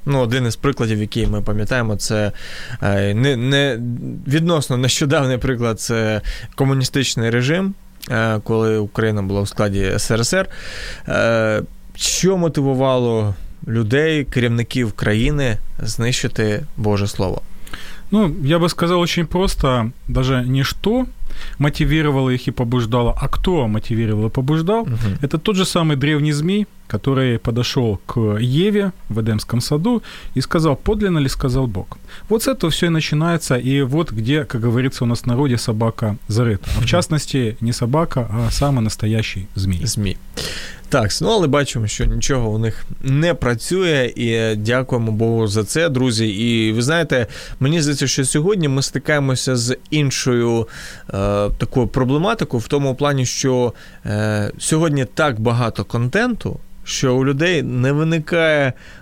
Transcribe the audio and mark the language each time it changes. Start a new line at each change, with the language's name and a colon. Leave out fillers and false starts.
Ukrainian: Ну, один із прикладів, який ми пам'ятаємо, це не відносно нещодавній приклад, це комуністичний режим, коли Україна була у складі СРСР. Що мотивувало людей, керівників країни, знищити Боже Слово?
Russian: Ну, я би сказав, очень просто, даже не что мотивировало их и побуждало, а кто мотивировал и побуждал. Uh-huh. Это тот же самый древний змей, который подошел к Еве в Эдемском саду и сказал, подлинно ли сказал Бог. Вот с этого все и начинается, и вот где, как говорится у нас в народе, собака зарыта. Uh-huh. В частности, не собака, а самый настоящий змей. Змей.
Ukrainian: Так, ну, але бачимо, що нічого у них не працює, і дякуємо Богу за це, друзі. І ви знаєте, мені здається, що сьогодні ми стикаємося з іншою такою проблематикою, в тому плані, що сьогодні так багато контенту, що у людей не виникає